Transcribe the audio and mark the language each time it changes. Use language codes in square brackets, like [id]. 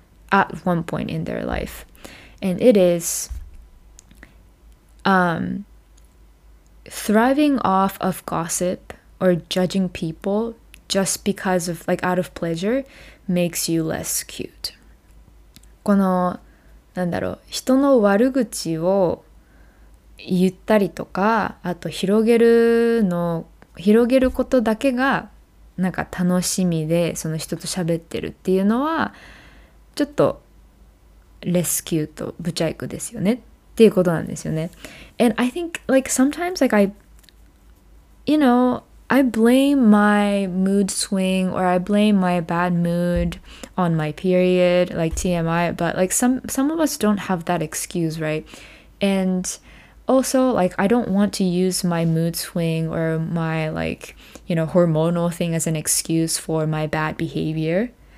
[en] At one point in their life. And it is thriving off of gossip or judging people just because of, like, out of pleasure makes you less cute. [ja] この、なんだろう、人の悪口を言ったりとか、あと広げることだけがなんか楽しみで、その人と喋ってるっていうのは、ちょっとレスキューとブチャイクですよねっていうことなんですよね。 [en] And I think, like, sometimes, like, I, you know, I blame my mood swing or I blame my bad mood on my period, like TMI, but, like, some of us don't have that excuse, right? And also, like, I don't want to use my mood swing or my, like, you know, hormonal thing as an excuse for my bad behavior.